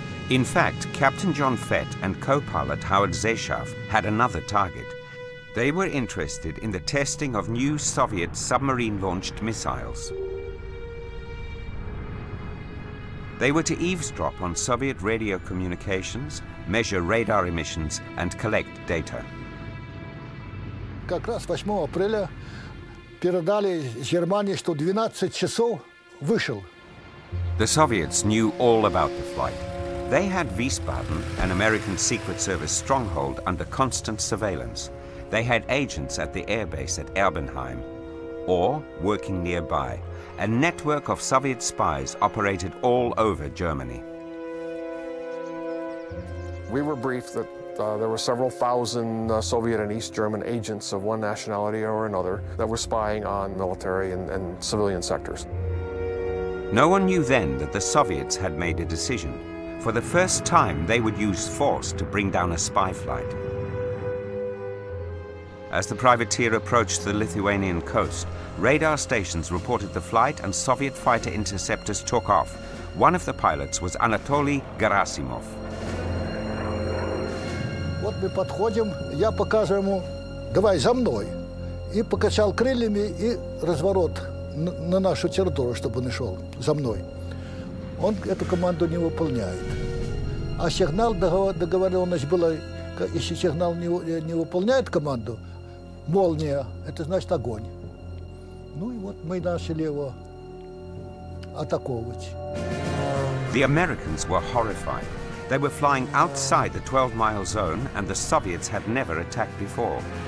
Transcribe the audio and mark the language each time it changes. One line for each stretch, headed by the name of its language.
English: In fact, Captain John Fett and co-pilot Howard Zeschaff had another target. They were interested in the testing of new Soviet submarine-launched missiles. They were to eavesdrop on Soviet radio communications, measure radar emissions, and collect data.
Russian: Как раз 8 апреля передали из Германии, что 12 часов вышел.
English: The Soviets knew all about the flight. They had Wiesbaden, an American Secret Service stronghold, under constant surveillance. They had agents at the airbase at Erbenheim, or working nearby. A network of Soviet spies operated all over Germany. We were briefed that there were several thousand Soviet and East German agents of one nationality or another that were spying on military and civilian sectors. No one knew then that the Soviets had made a decision. For the first time, they would use force to bring down a spy flight. As the privateer approached the Lithuanian coast, radar stations reported the flight and Soviet fighter interceptors took off. One of the pilots was Anatoly Gerasimov.
Russian: Вот мы подходим, я показываю ему, давай за мной. И покачал крыльями и разворот на нашу территорию, чтобы он шел за мной. Он эту команду не выполняет. А сигнал, договоренность была, если сигнал не выполняет команду, молния, это значит огонь. Ну и вот мы начали его атаковать.
English: The Americans were horrified. They were flying outside the 12-mile zone, and the Soviets had never attacked before.